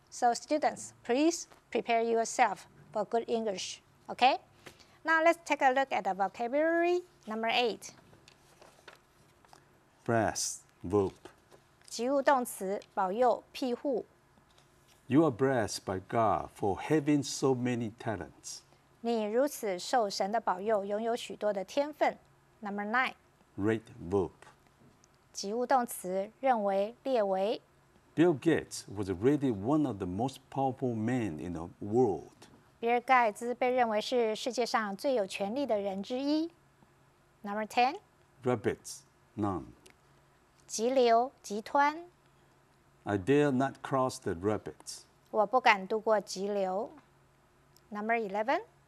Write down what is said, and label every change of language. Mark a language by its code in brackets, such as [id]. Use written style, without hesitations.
[en] So students, please prepare yourself for good English, okay? Now let's take a look at the vocabulary number 8. Brass, verb. [zh] 及物动词, 保佑, [en] you are blessed by God for having so many talents. [zh] 你如此受神的保佑, 拥有许多的天分. [en] Number 9. Rate verb. [zh] 及物动词, 认为, 列为. [en] Bill Gates was rated one of the most powerful men in the world. [zh] 比尔盖茨被认为是世界上最有权力的人之一. [en] Number 10. Rabbits, none. [zh] 急流, 急湍. [en] I dare not cross the rapids. [zh] 我不敢渡过急流. [en] Number 11.